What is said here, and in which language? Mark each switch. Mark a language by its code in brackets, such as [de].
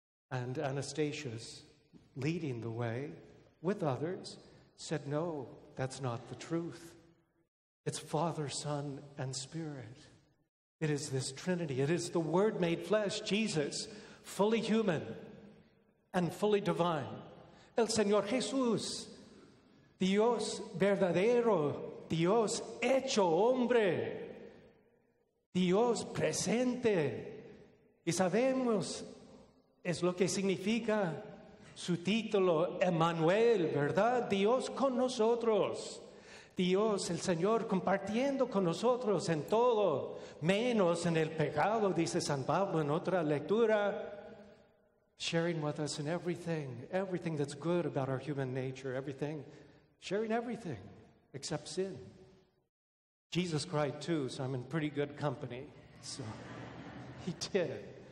[en] And Anastasius, leading the way with others, said, no, that's not the truth. It's Father, Son, and Spirit. It is this Trinity. It is the Word made flesh, Jesus, fully human and fully divine. [es] El Señor Jesús, Dios verdadero, Dios hecho hombre, Dios presente. Y sabemos es lo que significa su título, Emmanuel, ¿verdad? Dios con nosotros. Dios, el Señor, compartiendo con nosotros en todo, menos en el pecado, dice San Pablo en otra lectura. [en] Sharing with us in everything, everything that's good about our human nature, everything, sharing everything except sin. Jesus cried too, so I'm in pretty good company. So he did.